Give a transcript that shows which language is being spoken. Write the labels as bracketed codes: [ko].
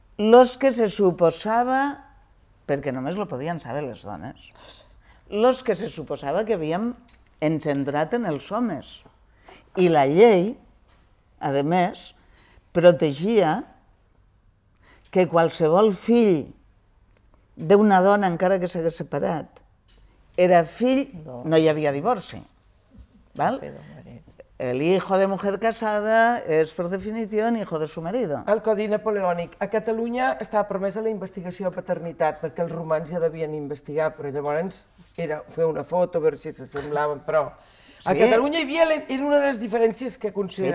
[ca] Els que se suposava, perquè només ho podien saber les dones, els que se suposava que havíem engendrat en els homes. I la llei, a més, protegia que qualsevol fill d'una dona, encara que s'hagués separat, era fill, no hi havia divorci. [es] ¿Vale? El hijo de mujer casada es, por definición, hijo de su marido. [ca] El codi napoleònic. A Catalunya estava permesa la investigació de paternitat, perquè els romans ja devien investigar, però llavors era fer una foto, a veure si s'assemblaven, però... Sí. A Catalunya hi havia, era una de les diferències que consideràvem.